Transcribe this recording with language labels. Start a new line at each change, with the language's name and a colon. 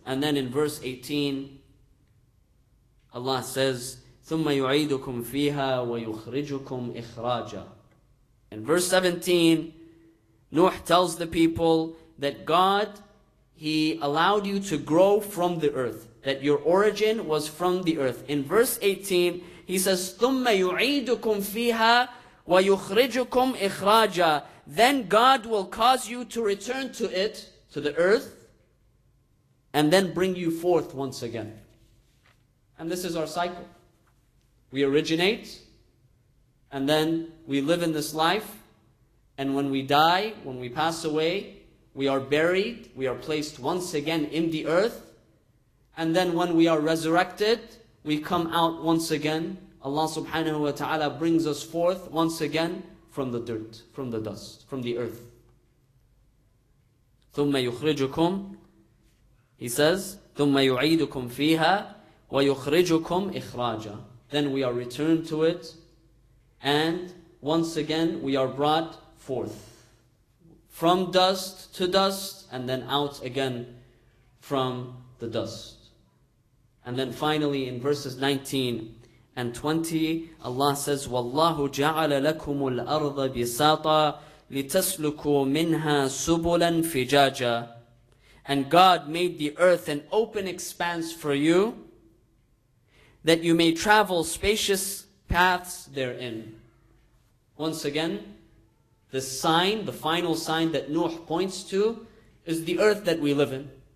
English: And then in verse 18, Allah says,
Arabic: ثُمَّ يُعِيدُكُمْ فِيهَا وَيُخْرِجُكُمْ إِخْرَاجًا.
English: In verse 17, Nuh tells the people that God, He allowed you to grow from the earth, that your origin was from the earth. In verse 18, He says,
Arabic: ثُمَّ يُعِيدُكُمْ فِيهَا وَيُخْرِجُكُمْ إِخْرَاجًا.
English: Then God will cause you to return to it, to the earth, and then bring you forth once again. And this is our cycle. We originate, and then we live in this life, and when we die, when we pass away, we are buried, we are placed once again in the earth, and then when we are resurrected, we come out once again. Allah subhanahu wa ta'ala brings us forth once again from the dirt, from the dust, from the earth.
Arabic: ثُمَّ يُخْرِجُكُمْ,
English: He says,
Arabic: ثُمَّ يُعِيدُكُمْ فِيهَا وَيُخْرِجُكُمْ إِخْرَاجًا.
English: Then we are returned to it, and once again we are brought forth. From dust to dust, and then out again from the dust. And then finally in verses 19 and 20, Allah says,
Arabic: وَاللَّهُ جَعَلَ لَكُمُ الْأَرْضَ بِسَاطًا لِتَسْلُكُوا مِنْهَا سُبُلًا فِجَاجًا.
English: And God made the earth an open expanse for you, that you may travel spacious paths therein. Once again, the sign, the final sign that Nuh points to, is the earth that we live in.